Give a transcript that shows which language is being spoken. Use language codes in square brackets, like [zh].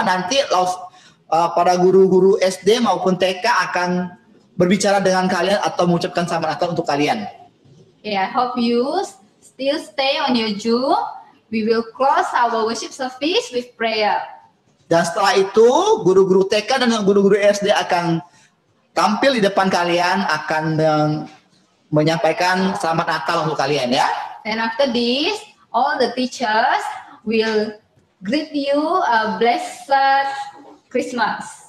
[id] Nanti para guru-guru SD maupun TK akan berbicara dengan kalian atau mengucapkan salam akal untuk kalian. [en] Okay, I hope you still stay on your Zoom. We will close our worship service with prayer. [id] Dan setelah itu, guru-guru TK dan guru-guru SD akan tampil di depan kalian, akan menyampaikan selamat Natal untuk kalian ya. [en] And after this, all the teachers will greet you a blessed Christmas.